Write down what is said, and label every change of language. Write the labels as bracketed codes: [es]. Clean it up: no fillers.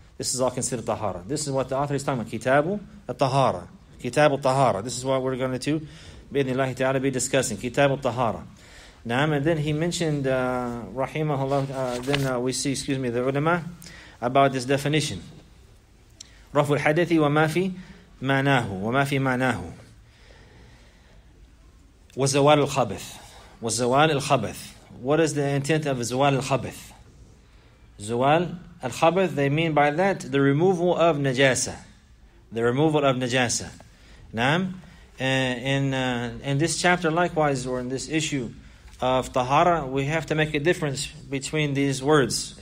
[en] This is all considered tahara. This is what the author is talking about. Kitabu al-tahara. Kitabu al-tahara. This is what we're going to, bi-idhnillahi ta'ala, be discussing. Kitabu al-tahara. Naam. And then he mentioned, rahimahullah, then we see the ulama, about this definition. [ar] رفع الحدث وما في معناه وما في معناه وزوال الخبث وزوال الخبث. [en] What is the intent of [ar] زوال الخبث? زوال الخبث, [en] they mean by that the removal of najasa. The removal of najasa. [ar] نعم. [en] In this chapter likewise, or in this issue of tahara, we have to make a difference between these words.